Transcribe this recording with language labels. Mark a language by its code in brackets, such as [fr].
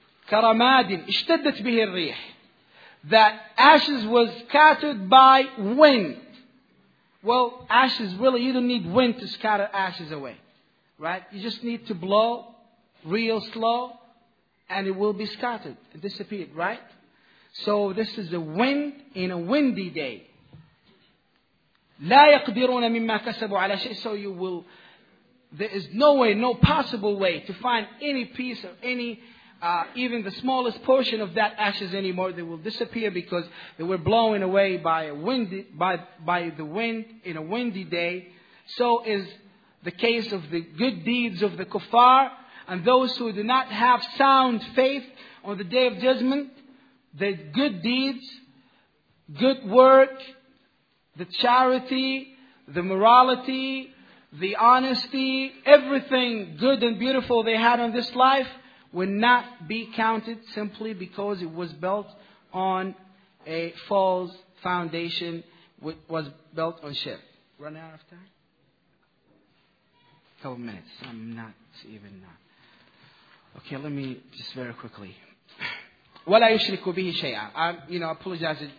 [ar] كَرَمَادٍ اشْتَدَّتْ بِهِ الرِّيحُ [en] That ashes was scattered by wind. Well, ashes, really, you don't need wind to scatter ashes away. Right? You just need to blow real slow and it will be scattered. It disappeared, right? So this is a wind in a windy day. [ar] لَا يَقْدِرُونَ مِمَّا كَسَبُوا عَلَى شَيْءٍ [en] So you will... There is no way, no possible way to find any piece or any... Even the smallest portion of that ashes anymore, they will disappear because they were blown away by the wind in a windy day. So is the case of the good deeds of the kuffar and those who do not have sound faith on the Day of Judgment. The good deeds, good work, the charity, the morality, the honesty, everything good and beautiful they had on this life will not be counted simply because it was built on a false foundation, which was built on shirk. Running out of time? A couple minutes. I'm not even... Okay, let me just very quickly. [ar] وَلَا يُشْرِكُ بِهِ شَيْعًا [en] I apologize.